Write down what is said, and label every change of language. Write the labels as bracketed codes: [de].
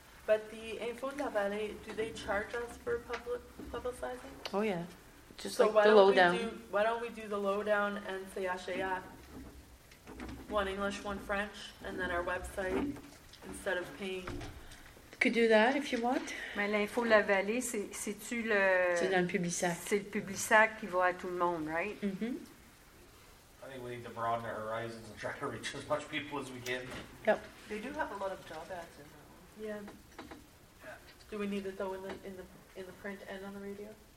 [en] But the Info de la Vallée, do they charge us for publicizing? Oh, yeah. Just so like the Lowdown. Why don't we do the Lowdown and say CHEA? One English, one French, and then our website instead of paying. Could do that if you want. [fr] Mais l'Info de la Vallée, c'est-tu le... C'est dans le Publisac. C'est le Publisac qui va à tout le monde, right? Mm-hmm. [en] I think we need to broaden our horizons and try to reach as much people as we can. Yep. They do have a lot of job ads in them. Yeah. Do we need it, though, in the print and on the radio?